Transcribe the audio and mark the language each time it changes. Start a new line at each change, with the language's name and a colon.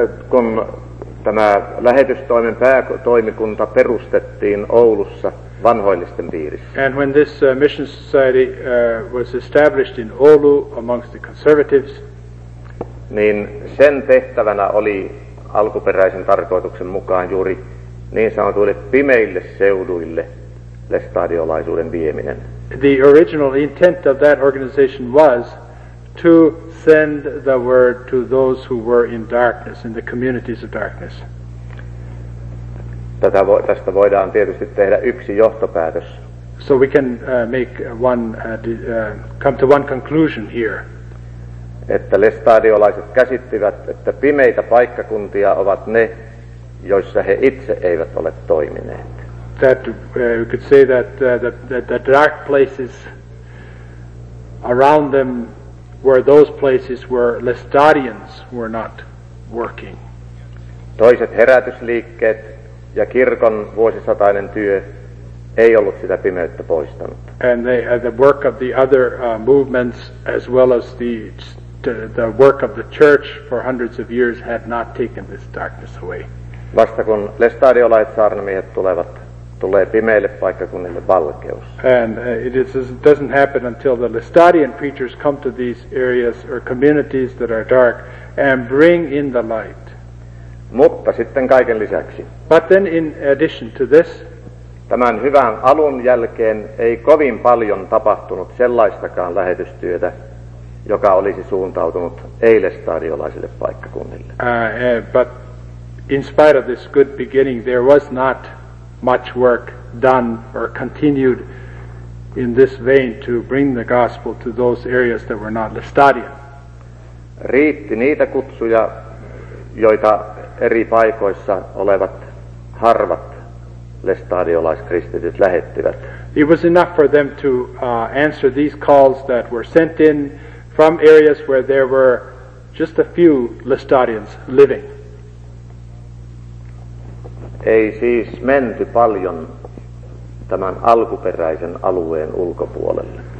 Finnish: Kun tämä lähetystoimen päätoimikunta perustettiin Oulussa vanhoillisten piirissä.
English: And when this mission society was established in Oulu amongst the conservatives,
Finnish: niin sen tehtävänä oli alkuperäisen tarkoituksen mukaan juuri niin sanotuille pimeille seuduille lestadiolaisuuden vieminen.
English: The original intent of that organization was to send the word to those who were in darkness, in the communities of darkness.
Finnish: Tästä voidaan tietysti tehdä yksi johtopäätös.
English: So we can make one come to one conclusion here.
Finnish: Että lestadiolaiset käsittivät, että pimeitä paikkakuntia ovat ne, joissa he itse eivät ole toimineet.
English: That we could say that the dark places around them were those places where lestadians were not working.
Finnish: Toiset herätysliikkeet ja kirkon vuosisatainen työ ei ollut sitä pimeyttä poistanut.
English: And the work of the other movements, as well as the work of the church for hundreds of years, had not taken this darkness away.
Finnish: Vasta kun lestadiolaiset saarnamiehet tulevat, tulee pimeille paikkakunnille valkeus.
English: And it doesn't happen until the lestadian preachers come to these areas or communities that are dark and bring in the light.
Finnish: Mutta sitten kaiken lisäksi.
English: But then in addition to this,
Finnish: tämän hyvän alun jälkeen ei kovin paljon tapahtunut sellaistakaan lähetystyötä, joka olisi suuntautunut ei-lestadiolaisille paikkakunnille.
English: But in spite of this good beginning, there was not much work done or continued in this vein to bring the gospel to those areas that were not lestadian.
Finnish: Riitti niitä kutsuja, joita eri paikoissa olevat harvat lestadiolaiskristityt lähettivät.
English: It was enough for them to answer these calls that were sent in from areas where there were just a few lestadians living.
Finnish: Ei siis menty paljon tämän alkuperäisen alueen ulkopuolelle.